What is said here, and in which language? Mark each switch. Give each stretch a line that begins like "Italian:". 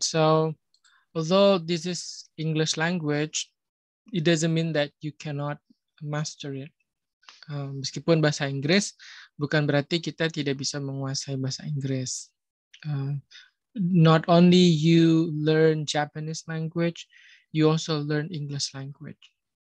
English: So, although this is English language, it doesn't mean that you cannot master it.
Indonesian: Meskipun bahasa Inggris, bukan berarti kita tidak bisa menguasai bahasa Inggris.
English: Not only you learn Japanese language, you also learn English language.